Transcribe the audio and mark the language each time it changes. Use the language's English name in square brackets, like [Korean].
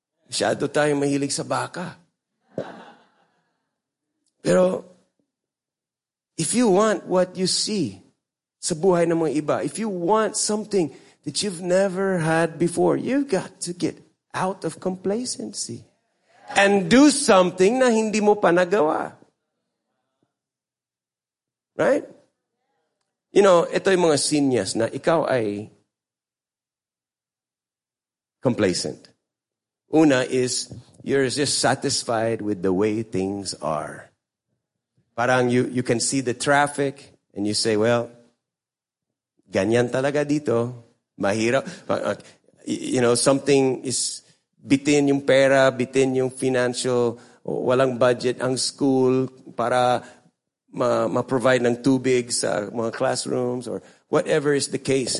[Filipino] Masyado tayong mahilig sa baka. [English] Pero, if you want what you see [Filipino] sa buhay ng mga iba, [English] if you want something that you've never had before, you've got to get out of complacency and do something [Filipino] na hindi mo pa nagawa. [English] Right? You know, [Filipino] ito yung mga seniors na ikaw ay complacent. [English] Una is, you're just satisfied with the way things are. Parang you can see the traffic and you say, well, [Filipino] ganyan talaga dito. Mahirap. You know, something is bitin yung pera, bitin yung financial, walang budget ang school para ma-provide ng tubig sa mga classrooms or whatever is the case.